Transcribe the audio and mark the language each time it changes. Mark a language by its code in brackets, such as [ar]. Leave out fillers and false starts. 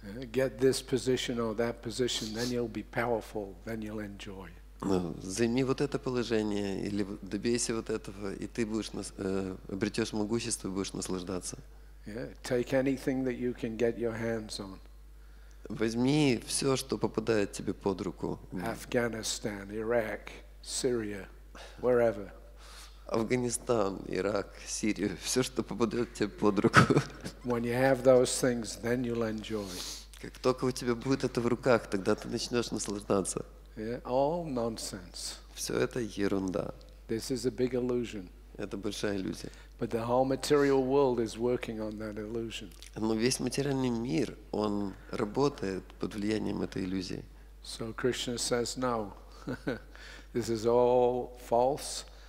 [en] Get this position or that position, then you'll be powerful, then you'll enjoy. [ru] Займи вот это положение или добейся вот этого, и ты будешь обретешь могущество и будешь наслаждаться. [en] Yeah. Take anything that you can get your hands on. [ru] Возьми все, что попадает тебе под руку. Афганистан, Ирак, Сирия, wherever. Афганистан, Ирак, Сирия, все, что попадет тебе под руку. [en] When you have those things, then you'll enjoy. [ru] Как только у тебя будет это в руках, тогда ты начнешь наслаждаться. [en] Yeah, all nonsense. [ru] Все это ерунда. [en] This is a big illusion. [ru] Это большая иллюзия. [en] But the whole material world is working on that illusion. [ru] Но весь материальный мир, он работает под влиянием этой иллюзии. [en] So Krishna says, no, this is all false.